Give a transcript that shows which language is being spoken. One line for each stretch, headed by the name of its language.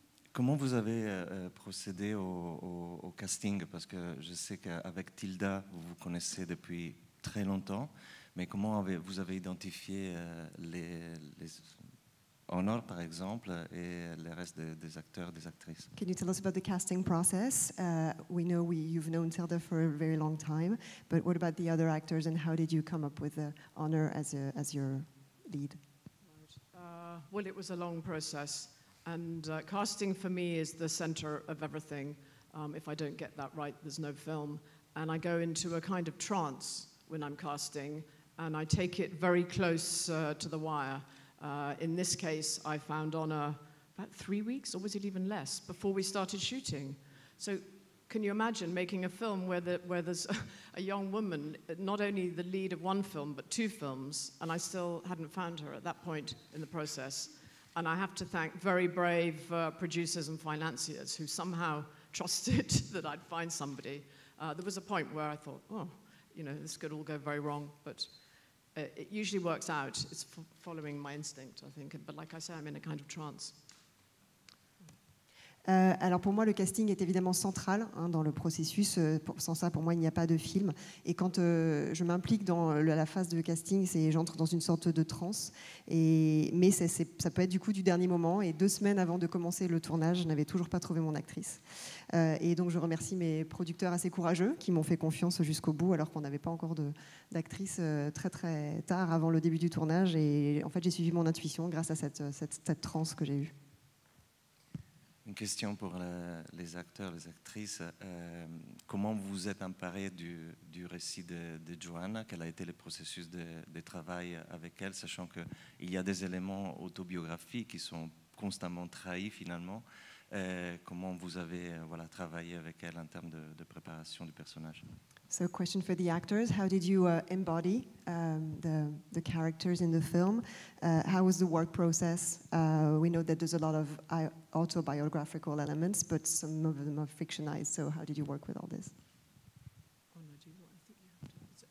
French: Comment vous avez procédé au casting? Parce que je sais qu'avec Tilda, vous vous connaissez depuis très longtemps, mais comment vous avez identifié les, Honor, par exemple, et le reste des acteurs, des actrices.
English: Can you tell us about the casting process? We know you've known Tilda for a very long time, but what about the other actors and how did you come up with Honor as your lead? Right. Well, it was a long process, and casting for me is the center of everything. If I don't get that right, there's no film. And I go into a kind of trance when I'm casting, and I take it very close to the wire. In this case, I found Honor about 3 weeks, or was it even less, before we started shooting. So can you imagine making a film where, where there's a young woman, not only the lead of one film, but two films, and I still hadn't found her at that point in the process. And I have to thank very brave producers and financiers who somehow trusted that I'd find somebody. There was a point where I thought, oh, you know, this could all go very wrong, but it usually works out. It's following my instinct, I think. But like I say, I'm in a kind of trance.
French: Alors pour moi, le casting est évidemment central hein, dans le processus. Sans ça, pour moi, il n'y a pas de film. Et quand je m'implique dans la phase de casting, j'entre dans une sorte de transe. Mais ça peut être du coup du dernier moment. Et 2 semaines avant de commencer le tournage, je n'avais toujours pas trouvé mon actrice. Et donc je remercie mes producteurs assez courageux qui m'ont fait confiance jusqu'au bout alors qu'on n'avait pas encore d'actrice très très tard avant le début du tournage. Et en fait, j'ai suivi mon intuition grâce à cette transe que j'ai eue. Une question pour les acteurs, les actrices. Comment vous êtes emparé du récit de Joanna? Quel a été le processus de travail avec elle, sachant qu'il y a des éléments autobiographiques qui sont constamment trahis finalement. Comment vous avez travaillé avec elle en termes de préparation du personnage?
English: So, question for the actors: how did you embody the characters in the film? How was the work process? We know that there's a lot of autobiographical elements, but some of them are fictionized. So, how did you work with all this? Oh no, do you want? I think you have to.